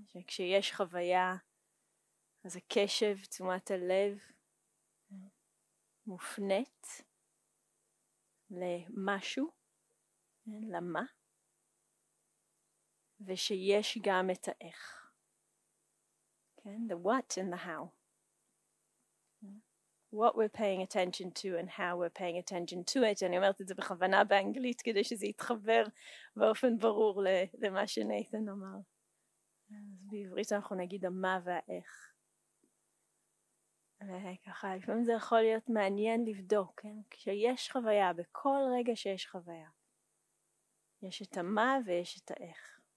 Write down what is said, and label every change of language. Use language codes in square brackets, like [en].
[he] שכשיש חוויה, אז הקשב, תשומת הלב, מופנית למשהו, למה, ושיש גם את האיך. כן? [en] The what and the how. What we're paying attention to and how we're paying attention to it. [he] אני אומרת את זה בכוונה באנגלית כדי שזה יתחבר באופן ברור למה שנייתן אמר. אז בעברית אנחנו נגיד המה והאיך. וככה, לפעמים זה יכול להיות מעניין לבדוק, כן? כשיש חוויה, בכל רגע שיש חוויה, יש את המה ויש את האיך.